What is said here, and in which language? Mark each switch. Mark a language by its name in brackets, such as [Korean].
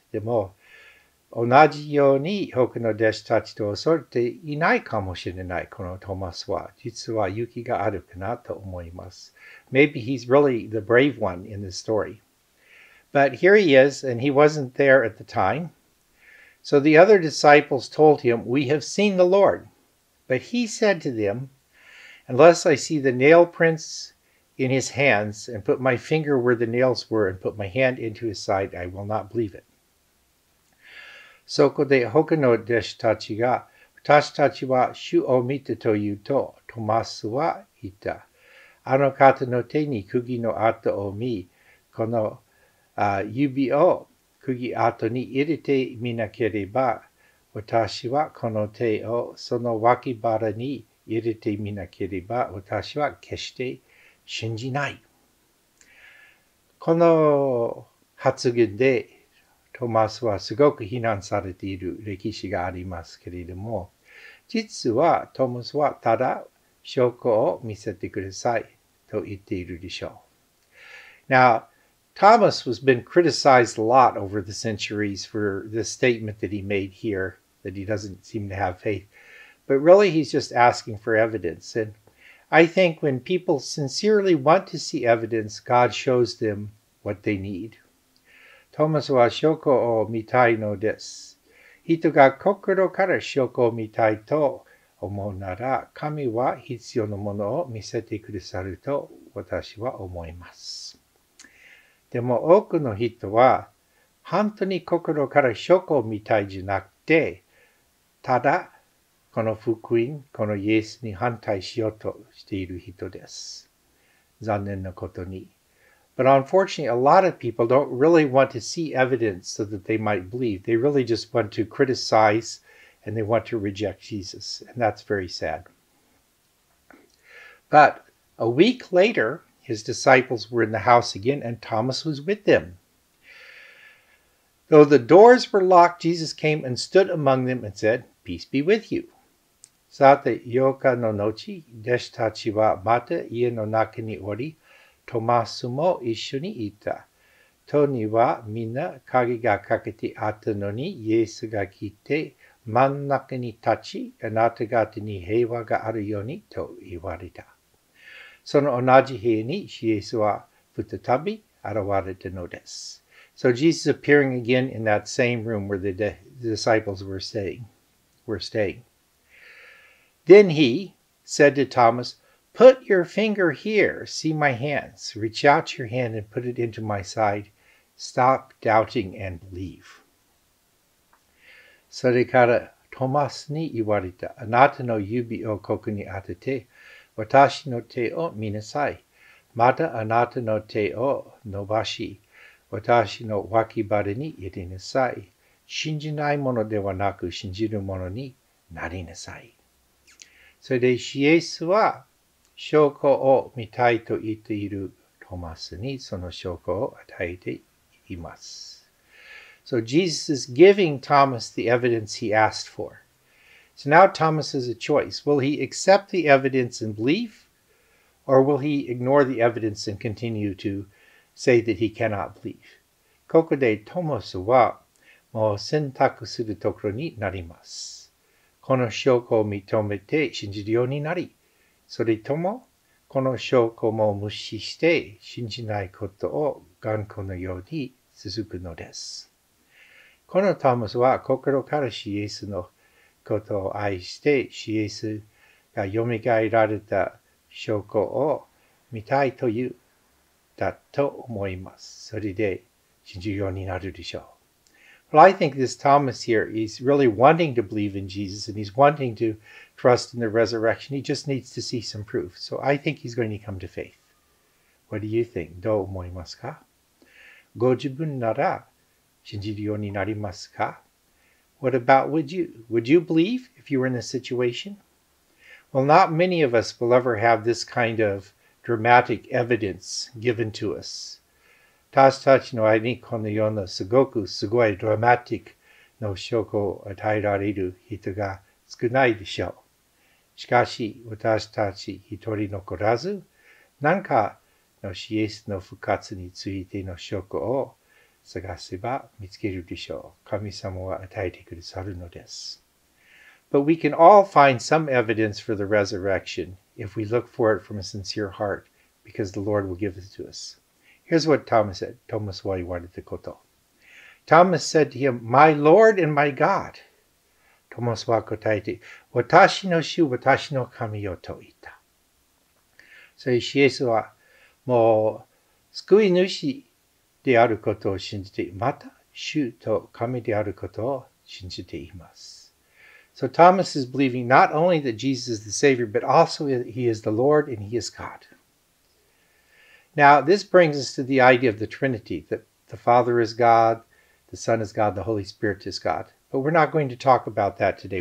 [Japanese] でも、同じように他の弟子たちと恐れていないかもしれない、このトマスは。実は勇気があるかなと思います。 [English] Maybe he's really the brave one in this story. But here he is, and he wasn't there at the time. So the other disciples told him, We have seen the Lord. But he said to them, Unless I see the nail prints in his hands and put my finger where the nails were and put my hand into his side, I will not believe it. [Japanese] そこで他の弟子たちが、私たちは主を見たと言うと、トマスは言った。あの方の手に釘の跡を見、この指を釘跡に入れてみなければ、私はこの手をその脇腹に入れてみなければ、私は決して信じない。この発言でトマスはすごく非難されている歴史がありますけれども、実はトマスはただ証拠を見せてくださいと言っているでしょう。 [English] Now, Thomas has been criticized a lot over the centuries for the statement that he made here, that he doesn't seem to have faith. But really, he's just asking for evidence. And I think when people sincerely want to see evidence, God shows them what they need. [Japanese] Thomas は証拠を見たいのです。人が心から証拠を見たいと思うなら、神は必要なものを見せてくださると私は思います。でも多くの人は、本当に心から証拠を見たいじゃなくて、ただこの福音、このイエスに反対しようとしている人です。残念なことに。 [English] But unfortunately, a lot of people don't really want to see evidence so that they might believe. They really just want to criticize and they want to reject Jesus. And that's very sad. But a week later, his disciples were in the house again and Thomas was with them. Though the doors were locked, Jesus came and stood among them and said, Peace be with you. [Japanese] さて、8日の後、弟子たちはまた家の中におり、トマスも一緒にいた。戸にはみんな鍵がかけてあったのに、イエスが来て真ん中に立ち、あなた方に平和があるようにと言われた。その同じ部屋にイエスは再び現れたのです。 [English] So Jesus appearing again in that same room where the disciples were staying. Then he said to Thomas, Put your finger here, see my hands. Reach out your hand and put it into my side. Stop doubting and believe. [Japanese] それからトマスに言われた、あなたの指をここに当てて、私の手を見なさい。またあなたの手を伸ばし、私の脇腹に入れなさい。信じないものではなく、信じるものになりなさい。それでイエスは、証拠を見たいと言っているトマスにその証拠を与えています。 [English] So Jesus is giving Thomas the evidence he asked for. So now Thomas has a choice. Will he accept the evidence and believe? Or will he ignore the evidence and continue to say that he cannot believe? [Japanese] ここでトマスはもう選択するところになります。この証拠を認めて信じるようになり。それとも、この証拠も無視して信じないことを頑固のように続くのです。このトマスは心からイエスのことを愛して、イエスが蘇られた証拠を見たいというだと思います。それで信じるようになるでしょう。 [English] Well, I think this Thomas here is really wanting to believe in Jesus and he's wanting to trust in the resurrection. He just needs to see some proof. So I think he's going to come to faith. What do you think? [Japanese] どう思いますか? ご自分なら信じるようになりますか? [English] What about would you? Would you believe if you were in this situation? Well, not many of us will ever have this kind of dramatic evidence given to us. [Japanese] 私たちの間にこのようなすごくすごいドラマティックの証拠を与えられる人が少ないでしょう。しかし私たち一人残らず何かのイエスの復活についての証拠を探せば見つけるでしょう。神様は与えてくださるのです。 [English] But we can all find some evidence for the resurrection if we look for it from a sincere heart because the Lord will give it to us. Here's what Thomas said. Thomas [Japanese] は言われたこと。 [English] Thomas said to him, My Lord and my God. [Japanese] Thomas は答えて、私の主、私の神よと言った。そしてイエスは、もう救い主であることを信じて、また主と神であることを信じています。 [English] So Thomas is believing not only that Jesus is the Savior, but also he is the Lord and he is God. Now, this brings us to the idea of the Trinity, that the Father is God, the Son is God, the Holy Spirit is God. But we're not going to talk about that today.